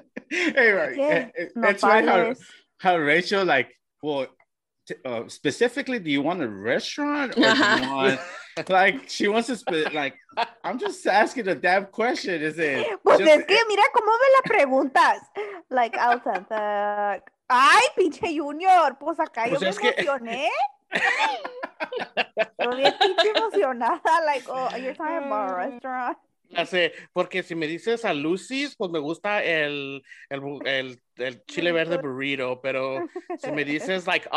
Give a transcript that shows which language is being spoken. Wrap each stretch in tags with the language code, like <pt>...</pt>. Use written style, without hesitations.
<en>Hey, right. Okay. That's right. How Rachel, like, well, specifically, do you want a restaurant or do you want, like, she wants to, like, I'm just asking a damn question, is it?</en> <es>Pues</es> <en>just,</en> <es>es que mira cómo me la preguntas.</es> <en>Like, authentic.</en> <es>Ay, pinche Junior, pues acá pues yo me emocioné. Yo pinche emocionada,</es> <en>like, oh, you're talking about a restaurant.</en> <es>Ya sé, porque si me dices a Lucy's, pues me gusta el chile verde burrito, pero si me dices like</es>